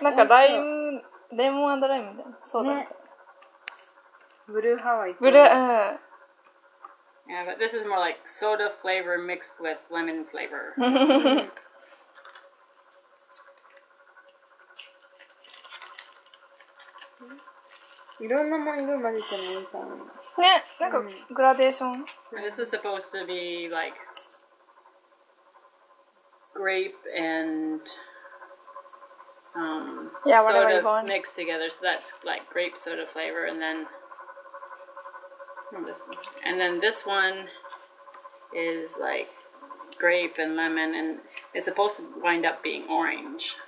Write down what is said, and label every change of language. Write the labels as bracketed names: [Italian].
[Japanese] なんかライム、レモン&ライムみたいな。そうだった。ブルーハワイ。ブルー、うん。 [English] Yeah, but this is more like soda flavor mixed with lemon flavor. [Japanese] いろんな色混ぜてもいいかな。ね、なんかグラデーション。 [English] This is supposed to be like grape and... yeah, what soda mixed together, so that's like grape soda flavor, and then... And then this one is like grape and lemon, and it's supposed to wind up being orange.